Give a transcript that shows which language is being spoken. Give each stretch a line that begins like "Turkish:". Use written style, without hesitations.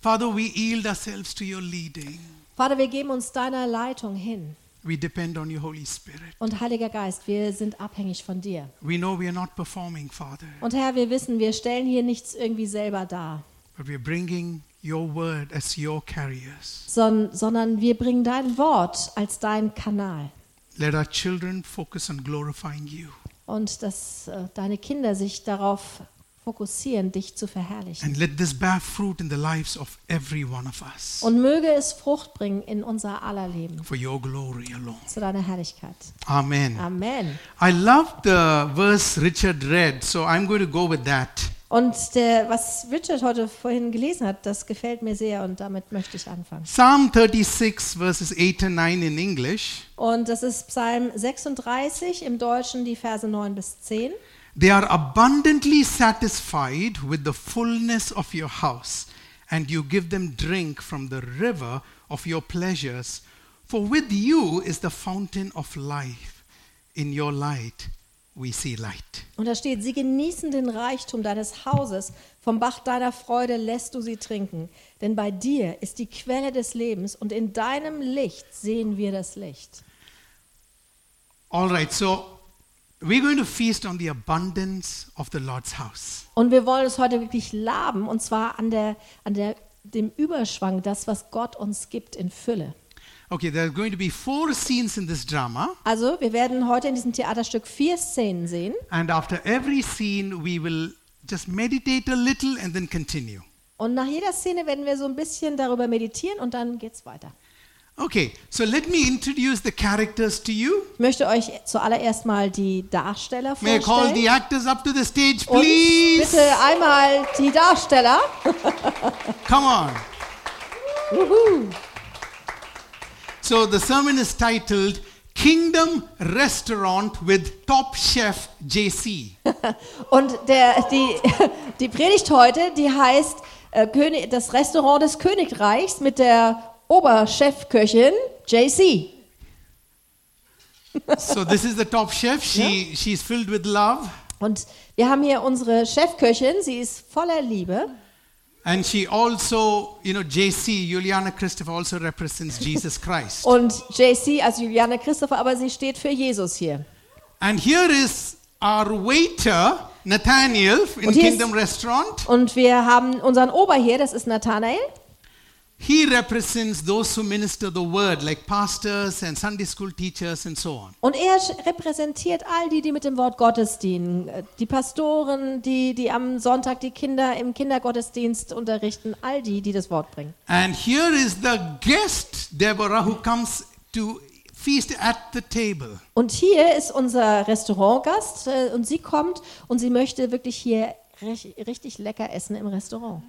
English: Father, we yield ourselves to your leading.
German: Vater, wir geben uns deiner Leitung hin.
English: We depend on your Holy Spirit.
German: Und Heiliger Geist, wir sind abhängig von dir.
English: We know we are not performing, Father.
German: Und Herr, wir wissen, wir stellen hier nichts irgendwie selber dar.
English: But we are bringing your word as your carriers.
German: Sondern wir bringen dein Wort als dein Kanal.
English: Let our children focus on glorifying you.
German: Und dass deine Kinder sich darauf fokussieren, dich zu verherrlichen.
English: And let this bear fruit in the lives of every one of us.
German: Und möge es Frucht bringen in unser aller Leben.
English: For your glory alone.
German: Zu deiner Herrlichkeit. Amen. Amen.
English: I love the verse Richard read, so I'm going to go with that.
German: Und der, was Richard heute vorhin gelesen hat, das gefällt mir sehr und damit möchte ich anfangen.
English: Psalm 36, verses 8 and 9 in English.
German: Und das ist Psalm 36 im Deutschen, die Verse 9 bis 10.
English: They are abundantly satisfied with the fullness of your house, and you give them drink from the river of your pleasures. For with you is the fountain of life. In your light we see light.
German: Und da steht, sie genießen den Reichtum deines Hauses, vom Bach deiner Freude lässt du sie trinken. Denn bei dir ist die Quelle des Lebens und in deinem Licht sehen wir das Licht.
English: All right, so we're going to feast on the abundance of the Lord's house.
German: Und wir wollen es heute wirklich laben, und zwar an dem Überschwang, das, was Gott uns gibt in Fülle.
English: Okay, there are going to be four scenes in this drama.
German: Also, wir werden heute in diesem Theaterstück vier Szenen sehen.
English: And after every scene, we will just meditate a little and then continue.
German: Und nach jeder Szene werden wir so ein bisschen darüber meditieren und dann geht's weiter.
English: Okay, so let me introduce the characters to you.
German: Ich möchte euch zuallererst mal die Darsteller vorstellen.
English: May I call the actors up to the stage, please?
German: Und bitte einmal die Darsteller.
English: Come on. Woohoo. So the sermon is titled Kingdom Restaurant with Top Chef JC.
German: Und die Predigt heute, die heißt das Restaurant des Königreichs mit der Oberchefköchin JC.
English: So this is the top chef. She's filled with love.
German: Und wir haben hier unsere Chefköchin, sie ist voller Liebe.
English: And she also, you know, JC, Juliana Christopher also represents Jesus Christ.
German: Und JC als Juliana Christopher, aber sie steht für Jesus hier.
English: And here is our waiter Nathaniel in Kingdom Restaurant.
German: Und wir haben unseren Oberherr, das ist Nathanael.
English: He represents those who minister the word, like pastors and Sunday school teachers and so on.
German: Und er repräsentiert all die, die mit dem Wort Gottes dienen, die Pastoren, die am Sonntag die Kinder im Kindergottesdienst unterrichten, all die, die das Wort bringen.
English: And here is the guest Deborah who comes to feast at the table.
German: Und hier ist unser Restaurantgast und sie kommt und sie möchte wirklich hier richtig lecker essen im Restaurant.